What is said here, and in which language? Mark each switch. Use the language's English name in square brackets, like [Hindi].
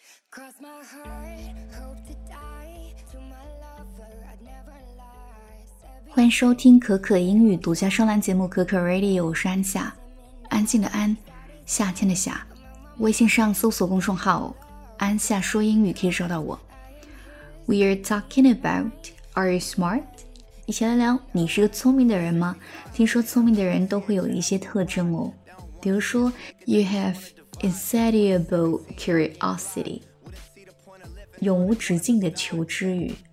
[English] Cross my heart, hope to die, to my lover, I'd never lie. [Chinese] 欢迎收听可可英语独家专栏节目可可 Radio， 我是安夏，安静的安，夏天的夏。微信上搜索公众号安夏说英语可以找到我。 [English] We are talking about Are you smart? [Chinese] 一起来聊，你是个聪明的人吗？听说聪明的人都会有一些特征哦，比如说 [English] You have insatiable curiosity， [Chinese] 永无止境的求知欲。